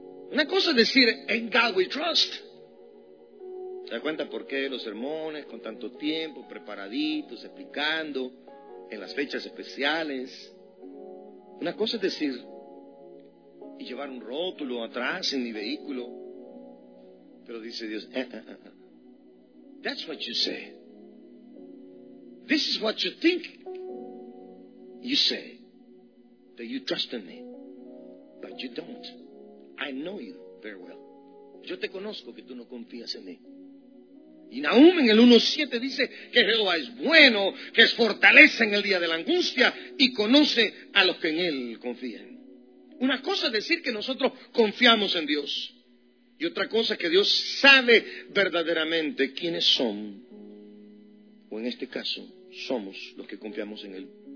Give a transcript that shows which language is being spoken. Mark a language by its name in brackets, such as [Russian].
[Spanish] Una cosa es decir, [English] in God we trust. [Spanish] ¿Se da cuenta por qué los sermones con tanto tiempo, preparaditos, explicando, en las fechas especiales? Una cosa es decir, y llevar un rótulo atrás en mi vehículo, pero dice Dios, [English] that's what you say. This is what you think. You say that you trust in me, but you don't. I know you very well. [Spanish] Yo te conozco que tú no confías en mí. Y Nahum en el 1.7 dice que Jehová es bueno, que es fortaleza en el día de la angustia y conoce a los que en Él confían. Una cosa es decir que nosotros confiamos en Dios. Y otra cosa es que Dios sabe verdaderamente quiénes son, o en este caso, somos los que confiamos en Él.